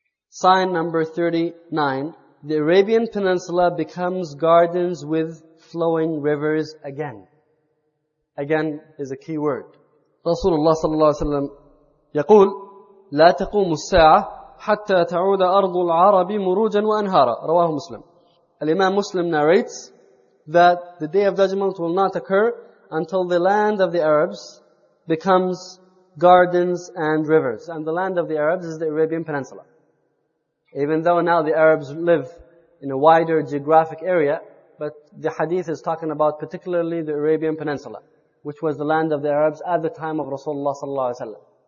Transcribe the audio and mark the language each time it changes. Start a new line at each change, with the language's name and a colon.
English: Sign number 39, the Arabian Peninsula becomes gardens with flowing rivers again. Again is a key word.
Arabic: Rasulullah sallallahu alayhi wa sallam يقول لا تقوم الساعة حتى تعود أرض العرب مروجا وأنهارا رواه مسلم.
English: Imam Muslim narrates that the Day of Judgment will not occur until the land of the Arabs becomes gardens and rivers. And the land of the Arabs is the Arabian Peninsula. Even though now the Arabs live in a wider geographic area, but the hadith is talking about particularly the Arabian Peninsula, which was the land of the Arabs at the time of Rasulullah sallallahu alayhi wa sallam.